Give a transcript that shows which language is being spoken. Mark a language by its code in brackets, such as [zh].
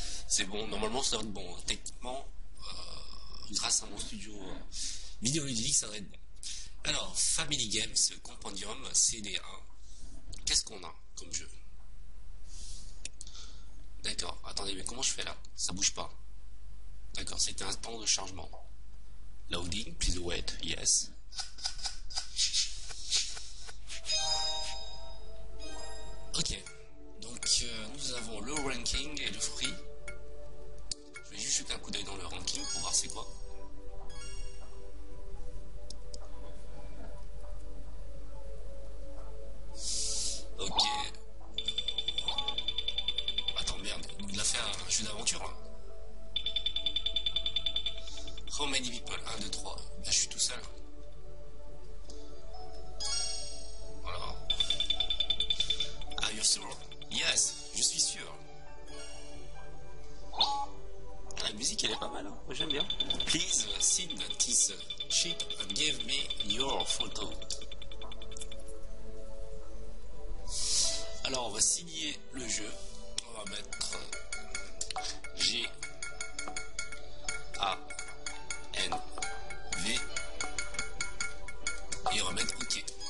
[fr] C'est bon, normalement ça devrait être bon. Techniquement, grâce à mon studio vidéoludique, ça devrait être bon. Alors, Family Games Compendium CD1, qu'est-ce qu'on a comme jeu? D'accord, attendez, mais comment je fais là? Ça bouge pas. D'accord, c'était un temps de chargement. [en] Loading, please wait, yes. [fr] Ok, donc nous avons le ranking et le free. Un coup d'œil dans le ranking pour voir c'est quoi. Ok. Attends, merde, il a fait un jeu d'aventure. Hein. [en] How many people? 1, 2, 3. [fr] Là, je suis tout seul. Voilà. [en] Are you sure? Yes, [fr] je suis sûr. La musique elle est pas mal, hein. J'aime bien. [en] Please sign this chip and give me your photo. [fr] Alors on va signer le jeu. On va mettre G A N V et on va mettre OK.